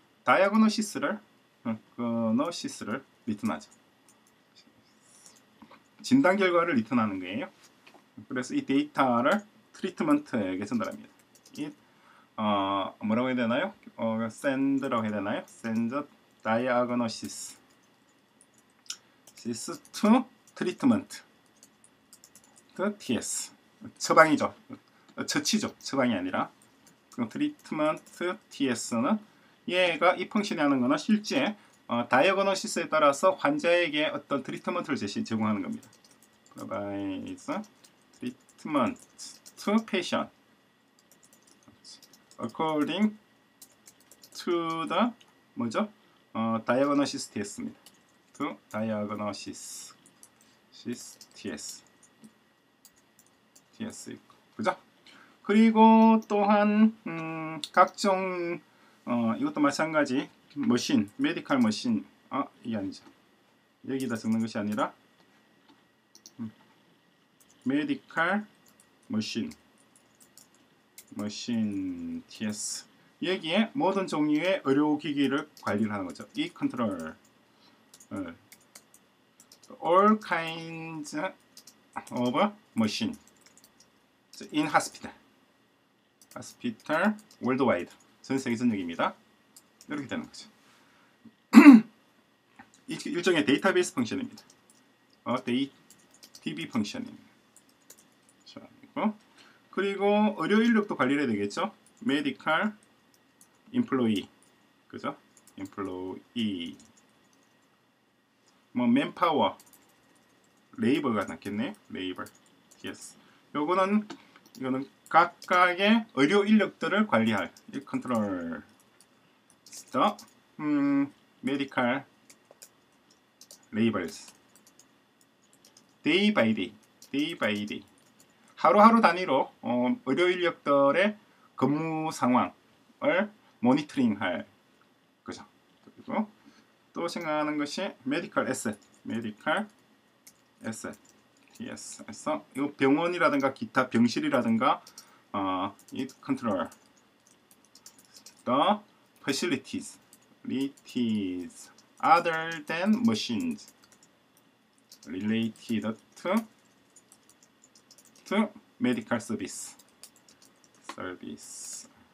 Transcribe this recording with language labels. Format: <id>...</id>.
<ko>다이아그노시스를 그노시스를 리턴하죠. 진단 결과를 리턴하는 거예요. 그래서 이 데이터를 트리트먼트에게 전달합니다. 이 뭐라고 해야 되나요? send라고 해야 되나요?</ko> <en>send diagnosis to treatment TS</en> <ko>처방이죠. 처치죠. 처방이 아니라 treatment TS는 얘가 이 펑션이 하는 거는 실제 다이어그노시스에 따라서 환자에게 어떤 트리트먼트를 제공하는 겁니다.</ko> <en>Provide treatment to patient according to the</en> <ko>뭐죠? Diagnosis TS입니다.</ko> <en>To diagnosis TS.</en> <ko>DS 있고, 그죠? 그리고 또한 각종 이것도 마찬가지 머신, 메디컬 머신. 아, 이게 아니죠. 여기다 적는 것이 아니라 메디컬 머신, 머신 TS. 여기에 모든 종류의 의료 기기를 관리를 하는 거죠. 이 컨트롤.</ko> <en>All kinds of machine in hospital. Hospital worldwide.</en> <ko>전 세계적인 얘기입니다. 이렇게 되는 거죠. 일종의 데이터베이스 펑션입니다. DB 펑션입니다. 자, 그리고 의료 인력도 관리를 해야 되겠죠.</ko> <en>Medical employee.</en> <ko>그죠?</ko> <en>employee.</en> <ko>뭐</ko> <en>manpower. labor가</en> <ko>낫겠네.</ko> <en>labor. yes.</en> <ko>요거는 이거는 각각의 의료 인력들을 관리할 이 컨트롤.</ko> <en>또 medical labels. day by day. day by day.</en> <ko>하루하루 단위로 의료 인력들의 근무 상황을 모니터링할 거죠. 그리고 또 생각하는 것이 메디컬 에셋, 메디컬 에셋,</ko> <en>yes.</en> <ko>그래서 이 병원이라든가 기타 병실이라든가 이 컨트롤,</ko> <en>the facilities, facilities other than machines related to medical service, service.</en>